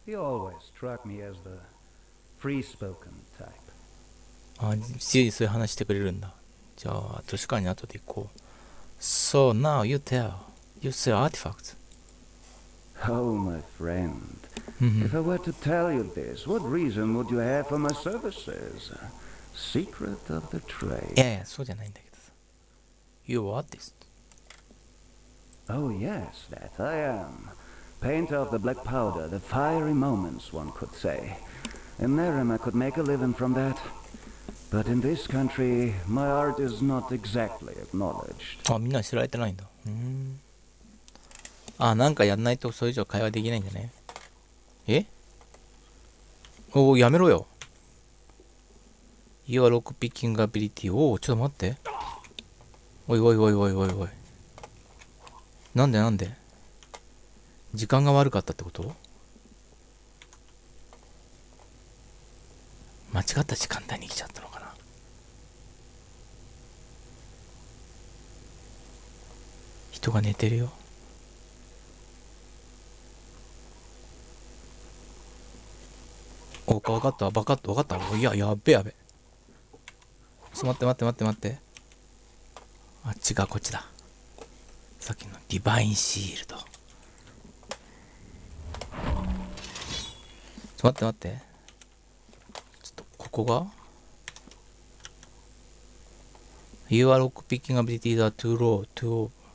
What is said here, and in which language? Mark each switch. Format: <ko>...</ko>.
<en>He always struck me as the free-spoken type.</en> <ja>ああ、自由にそういう話してくれるんだ。じゃあ、図書館に後で行こう。</ja> <en>So now you tell. You sell artifacts. Oh, my friend. If I were to tell you this, what reason would you have for my services? Secret of the trade. Yeah, yeah,</en> <ja>そうじゃないんだけどさ。</ja> <en>You're an artist. Oh, yes, that I am. Painter of the black powder, the fiery moments, one could say. In Nerim, I could make a living from that. But in this country, my art is not exactly acknowledged.</en> <ja>あ、みんな知られてないんだ。あ、なんかやんないとそれ以上会話できないんだね。え？おお、やめろよ。</ja> <en>Your lock picking ability。</en> <ja>おお、ちょっと待って。おいおいおいおいおいおい。なんでなんで？時間が悪かったってこと？間違った時間帯に来ちゃったのかな。人が寝てるよ。おか、分かった、バカッと分かった。いや、やっべやべ。ちょっと待って待って待って待って。あっちがこっちだ。さっきのディバインシールド。ちょっと待って待って。ここが</ja> <en>You are lock picking ability that too low, too low.</en>